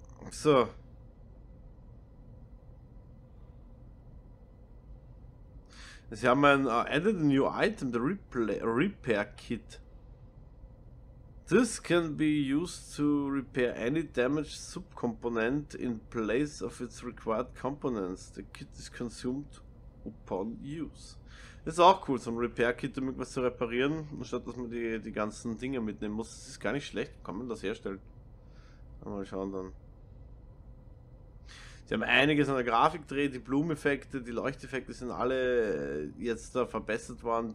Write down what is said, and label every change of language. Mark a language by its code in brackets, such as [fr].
[de] So. Sie haben ein [en] Added a New Item, the Repair Kit. This can be used to repair any damaged subcomponent in place of its required components. The kit is consumed upon use. [de] Das ist auch cool, so ein Repair-Kit, um irgendwas zu reparieren, anstatt dass man die ganzen Dinge mitnehmen muss. Das ist gar nicht schlecht, kann man das herstellen. Mal schauen dann. Sie haben einiges an der Grafik dreht, die Bloom-Effekte, die Leuchteffekte sind alle jetzt da verbessert worden.